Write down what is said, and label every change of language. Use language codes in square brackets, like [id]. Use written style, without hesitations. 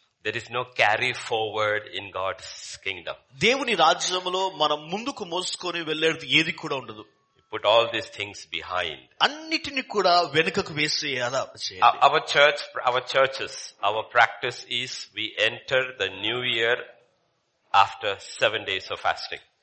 [en] There is no carry forward in God's kingdom. [te] దేవుని రాజ్యములో మనం ముందుకు మోసుకొని వెళ్లేది ఏది కూడా ఉండదు. [en] Put all these things behind. [te] అన్నిటిని కూడా వెనుకకు వేసి [en] our churches, our practice is we enter the new year after 7 days of fasting.